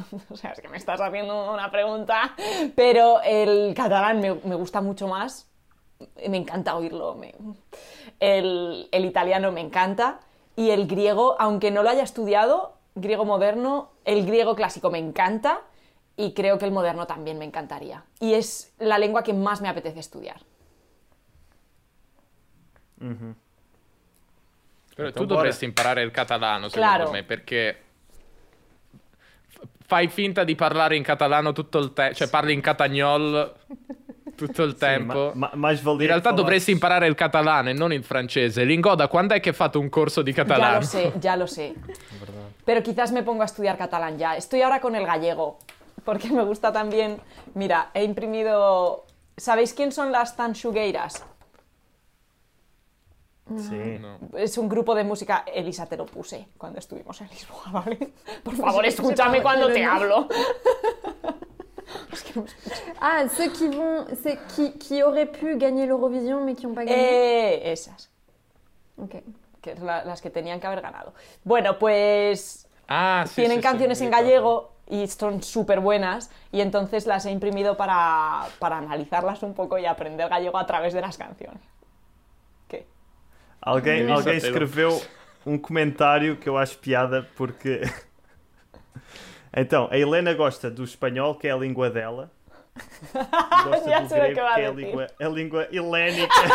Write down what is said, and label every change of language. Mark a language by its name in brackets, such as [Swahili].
[Spanish] O sea, es que me estás haciendo una pregunta, pero el catalán me gusta mucho más, me encanta oírlo, el italiano me encanta, y el griego, aunque no lo haya estudiado, griego moderno, el griego clásico me encanta, y creo que el moderno también me encantaría, y es la lengua que más me apetece estudiar. [Italian] Pero tu dovresti imparare il catalano, secondo claro. me, perché... Fai finta di parlare in catalano tutto il tempo, cioè parli in catagnol tutto il tempo. Sì, ma in realtà dovresti imparare il catalano e non il francese. Lingoda, quando è che hai fatto un corso di catalano? Già lo so. Però [Spanish] quizás me pongo a studiar catalán ya. Estoy ahora con el gallego, perché me gusta también. Mira, he imprimido... ¿Sabéis quién son las Tanxugueiras? Sí, no. Es un grupo de música. Elisa, te lo puse cuando estuvimos en Lisboa, ¿vale? Por favor, escúchame cuando te hablo. [French] Ah, ceux qui vont, c'est qui auraient pu gagner l'Eurovision mais qui ont pas gagné. [Spanish] Esas. [English] Okay. [Spanish] Que es las que tenían que haber ganado. Bueno, pues ah, sí, tienen sí, canciones sí, en gallego y son súper buenas y entonces las he imprimido para analizarlas un poco y aprender gallego a través de las canciones. [Portuguese] Alguém escreveu um comentário que eu acho piada, porque... Então, a Helena gosta do espanhol, que é a língua dela. Gosta do grego, que é a língua helénica.